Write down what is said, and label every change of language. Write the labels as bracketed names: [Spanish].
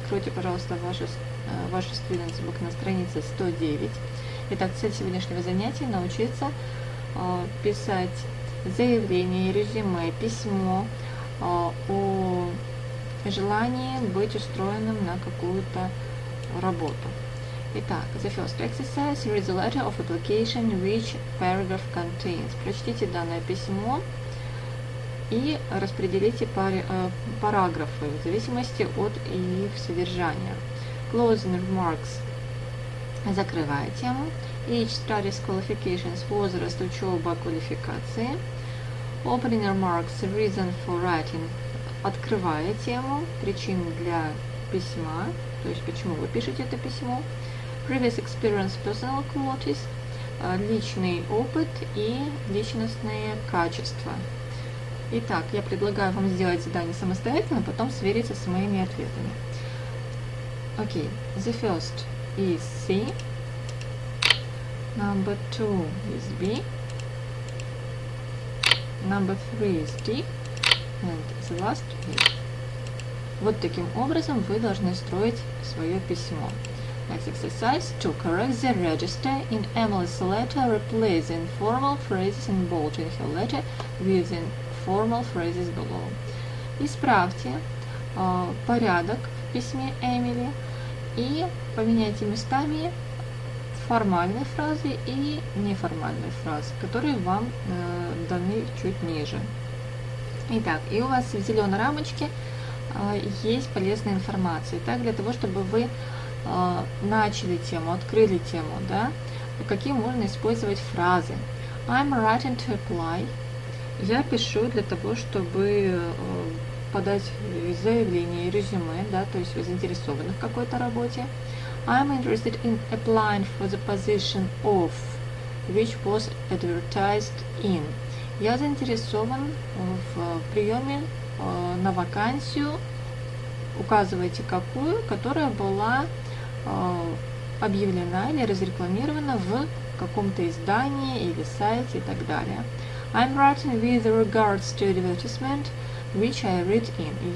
[Russian] Откройте, пожалуйста, ваш Students Book на странице 109. Итак, цель сегодняшнего занятия – научиться писать заявление, резюме, письмо о желании быть устроенным на какую-то работу. [English] Итак, the first exercise – read the letter of application which paragraph contains. [Russian] Прочтите данное письмо и распределите параграфы в зависимости от их содержания. [English] Closing remarks. [Russian] Закрывая тему. [English] Each study's qualifications, [Russian] возраст, учеба, квалификации. [English] Opening remarks. Reason for writing. [Russian] Открывая тему. Причин для письма. То есть, почему вы пишете это письмо. [English] Previous experience, personal qualities. [Russian] Личный опыт и личностные качества. Итак, я предлагаю вам сделать задание самостоятельно, потом свериться с моими ответами. [English] Окей, okay. The first is C. Number two is B. Number three is D. And the last is... [Russian] Вот таким образом вы должны строить свое письмо. [English] Next exercise. To correct the register in Emily's letter, replace the informal phrases in bold in her letter with the formal phrases below. [Russian] Исправьте порядок в письме Эмили и поменяйте местами формальные фразы и неформальные фразы, которые вам даны чуть ниже. Итак, и у вас в зеленой рамочке есть полезная информация. Итак, для того, чтобы вы начали тему, открыли тему, да, какие можно использовать фразы. [English] I'm writing to apply. [Russian] Я пишу для того, чтобы подать заявление, резюме, да, то есть вы заинтересованы в какой-то работе. [English] I'm interested in applying for the position of, which was advertised in. [Russian] Я заинтересован в приеме на вакансию, указывайте какую, которая была объявлена или разрекламирована в каком-то издании или сайте и так далее. [English] I'm writing with regards to advertisement, which I read in.